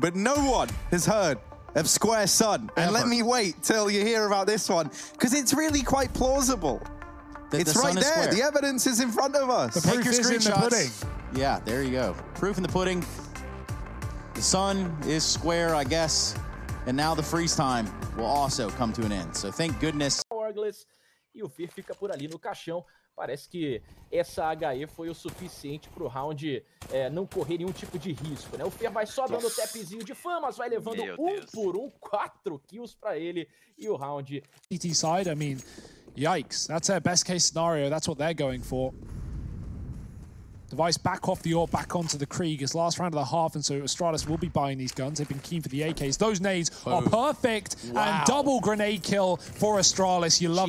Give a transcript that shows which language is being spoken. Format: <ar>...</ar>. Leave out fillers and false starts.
<en>But no one has heard of square sun. Ever. And let me wait till you hear about this one, because it's really quite plausible. It's the right there. Square. The evidence is in front of us. The proof is in the pudding. Yeah, there you go. Proof in the pudding. The sun is square, I guess. And now the freeze time will also come to an end. So thank goodness.</en> <pt>E o Fear fica por ali no caixão. Parece que essa HE foi o suficiente pro round não correr nenhum tipo de risco, né? O Fer vai só dando tapzinho de famas, vai levando Meu um Deus. Por um, quatro kills pra ele e o round...</pt> <en>CT side, I mean, yikes. That's a best case scenario, that's what they're going for. Device back off the AWP, back onto the Krieg. It's last round of the half, and so Astralis will be buying these guns. They've been keen for the AKs. Those nades Boom. Are perfect, wow. And double grenade kill for Astralis. You love</en>